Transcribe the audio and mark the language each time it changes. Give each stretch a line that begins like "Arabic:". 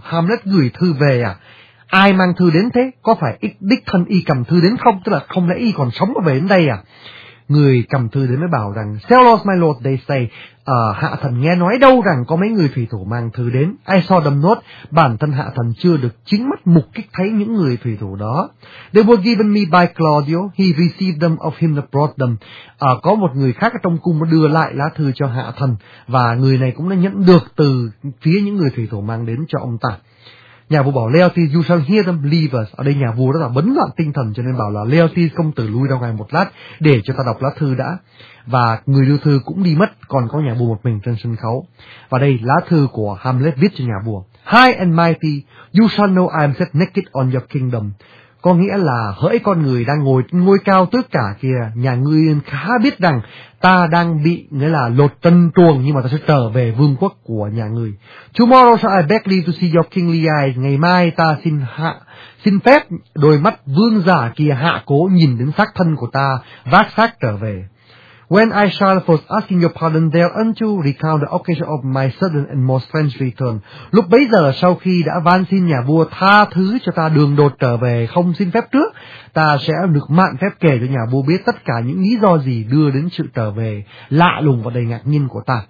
Vietnamese: Hamlet gửi thư về à? Ai mang thư đến thế? Có phải đích thân y cầm thư đến không? Tức là không lẽ y còn sống mà về đến đây à? Người cầm thư đến mới bảo rằng,
English: Sellos my lord, they say,
Vietnamese: hạ thần nghe nói đâu rằng có mấy người thủy thủ mang thư đến.
English: I saw them not.
Vietnamese: Bản thân hạ thần chưa được chính mắt mục kích thấy những người thủy thủ đó.
English: They were given me by Claudio. He received them of him that brought them.
Vietnamese: Có một người khác ở trong cung đưa lại lá thư cho hạ thần, và người này cũng đã nhận được từ phía những người thủy thủ mang đến cho ông ta. Nhà vua bảo Laertes,
English: you shall hear them, leave us.
Vietnamese: Ở đây nhà vua rất là bấn loạn tinh thần, cho nên bảo là Laertes, công tử lui ra ngoài một lát để cho ta đọc lá thư đã. Và người đưa thư cũng đi mất, còn có nhà vua một mình trên sân khấu. Và đây lá thư của Hamlet viết cho nhà vua.
English: High and mighty, you shall know I am set naked on your kingdom.
Vietnamese: có nghĩa là hỡi con người đang ngồi ngôi cao tất cả kia, nhà ngươi khá biết rằng ta đang bị nghĩa là lột tân truồng, nhưng mà ta sẽ trở về vương quốc của nhà ngươi.
English: Tomorrow shall I beg leave to see your kingly eyes,
Vietnamese: ngày mai ta xin phép đôi mắt vương giả kia hạ cố nhìn đến xác thân của ta vác xác trở về.
English: When I shall first asking your pardon there unto recount the occasion of my sudden and most strange return.
Vietnamese: Lúc bấy giờ sau khi đã van xin nhà vua tha thứ cho ta đường đột trở về không xin phép trước, ta sẽ được mạn phép kể cho nhà vua biết tất cả những lý do gì đưa đến sự trở về lạ lùng và đầy ngạc nhiên của ta.